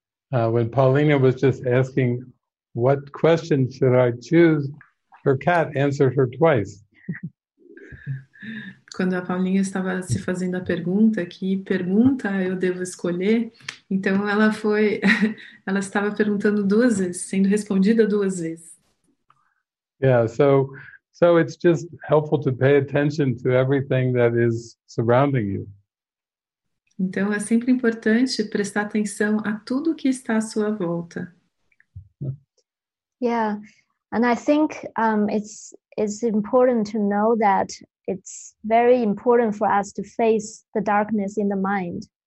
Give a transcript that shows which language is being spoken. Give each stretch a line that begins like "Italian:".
English: When Paulina was just asking what question should I choose, her cat answered her twice.
Portuguese: Quando a Paulinha estava se fazendo a pergunta, que pergunta eu devo escolher? Então ela estava perguntando duas vezes, sendo respondida duas vezes.
English: Yeah, so it's just helpful to pay attention to everything that is surrounding you.
Portuguese: Então é sempre importante prestar atenção a tudo que está à sua volta.
English: Yeah, and I think it's important to know that it's very important for us to face the darkness in the mind.